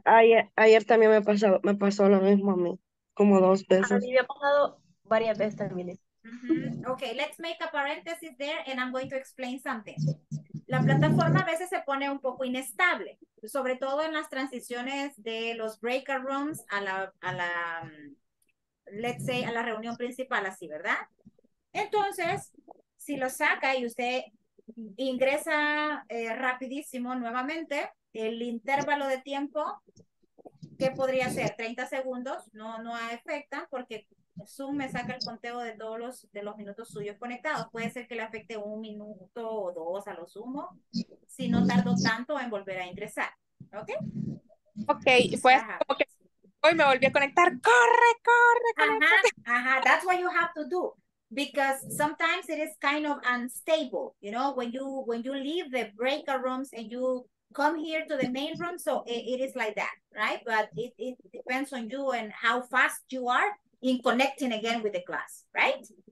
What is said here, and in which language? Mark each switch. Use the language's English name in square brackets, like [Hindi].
[Spanish] ayer también me pasó lo mismo a mí, como 2 veces. A mí me ha pasado varias veces también. Mm-hmm. [English] Okay, let's make a parenthesis there and I'm going to explain something. [Spanish] La plataforma a veces se pone un poco inestable, sobre todo en las transiciones de los breakout rooms a la [English] let's say, [Spanish] a la reunión principal, así, ¿verdad? Entonces, si lo saca y usted ingresa rapidísimo nuevamente, el intervalo de tiempo, ¿qué podría ser? 30 segundos, no afecta porque Zoom me saca el conteo de todos los minutos suyos conectados. Puede ser que le afecte 1 minuto o 2 a lo sumo, si no tardo tanto en volver a ingresar. ¿Ok? Ok, fue como que hoy me volví a conectar. ¡Corre, corre, conéctate! [English] Ajá, that's what you have to do. Because sometimes it is kind of unstable, you know, when you leave the breakout rooms and you come here to the main room, so it is like that, right? But it depends on you and how fast you are in connecting again with the class, right?